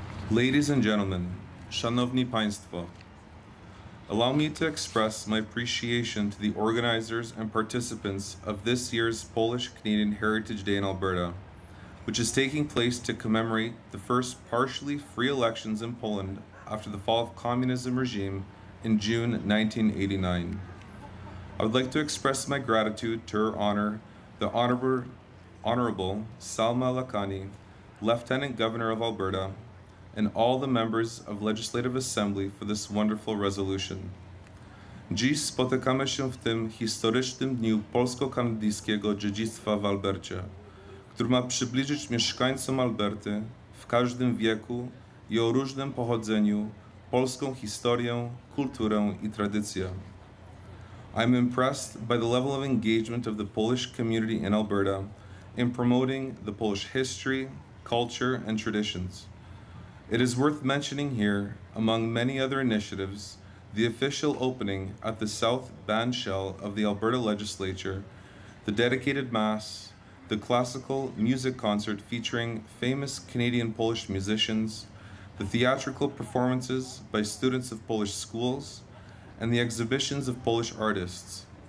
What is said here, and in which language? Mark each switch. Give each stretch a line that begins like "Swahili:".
English: Ladies and gentlemen,
Polish: Szanowni Państwo,
English: allow me to express my appreciation to the organizers and participants of this year's Polish Canadian Heritage Day in Alberta, which is taking place to commemorate the first partially free elections in Poland after the fall of communism regime in June 1989. I would like to express my gratitude to Her Honor, the Honorable Salma Lakhani, Lieutenant Governor of Alberta, and all the members of Legislative Assembly for this wonderful resolution.
Polish: Dziś spotykamy się w tym historycznym dniu polsko-kanadyjskiego dziedzictwa w Albercie, który ma przybliżyć mieszkańcom Alberty w każdym wieku i o różnym pochodzeniu polską historię, kulturę i tradycję.
English: I'm impressed by the level of engagement of the Polish community in Alberta in promoting the Polish history, culture, and traditions. It is worth mentioning here, among many other initiatives, the official opening at the South Bandshell of the Alberta Legislature, the dedicated mass, the classical music concert featuring famous Canadian Polish musicians, the theatrical performances by students of Polish schools, and the exhibitions of Polish artists.